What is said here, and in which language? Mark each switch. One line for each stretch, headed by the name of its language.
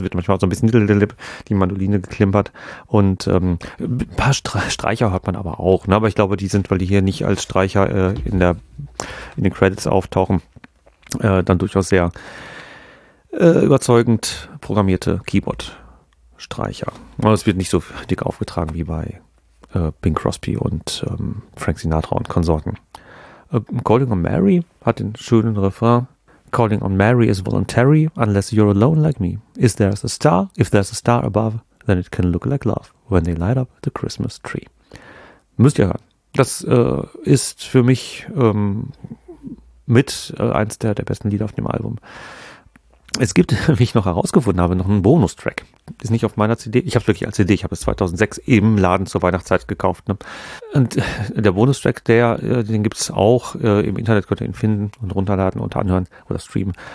German: Es wird manchmal auch so ein bisschen die Mandoline geklimpert und ein paar Streicher hört man aber auch, ne? Aber ich glaube, die sind, weil die hier nicht als Streicher in den Credits auftauchen, dann durchaus sehr überzeugend programmierte Keyboard Streicher. Aber es wird nicht so dick aufgetragen wie bei Bing Crosby und Frank Sinatra und Konsorten. Calling on Mary hat den schönen Refrain.
English: Calling on Mary is voluntary unless you're alone like me. Is there a star? If there's a star above, then it can look like love when they light up the Christmas tree.
German: Müsst ihr hören. Das ist für mich mit eins der besten Lieder auf dem Album. Es gibt, wie ich noch herausgefunden habe, noch einen Bonustrack. Ist nicht auf meiner CD. Ich habe es wirklich als CD. Ich habe es 2006 im Laden zur Weihnachtszeit gekauft. Ne? Und der Bonustrack, den gibt es auch im Internet, könnt ihr ihn finden und runterladen und anhören oder streamen.